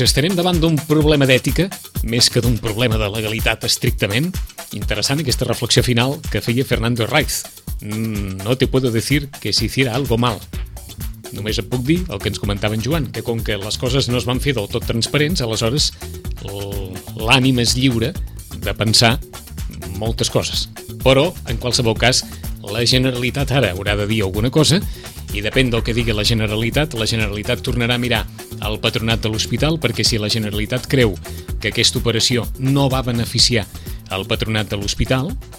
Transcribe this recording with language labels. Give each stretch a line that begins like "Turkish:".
Catalan: Estarem davant d'un problema d'ètica, més que d'un problema de legalitat estrictament. Interessant aquesta reflexió final que feia Fernando Raiz.
Spanish: No te puedo decir que se hiciera algo mal.
Catalan: Només et puc dir el que ens comentava en Joan, que com que les coses no es van fer del tot transparents, aleshores l'ànima és lliure de pensar moltes coses. Però, en qualsevol cas, la Generalitat ara haurà de dir alguna cosa, i depèn del que digui la Generalitat tornarà a mirar el patronat de l'hospital, perquè si la Generalitat creu que aquesta operació no va beneficiar el patronat de l'hospital,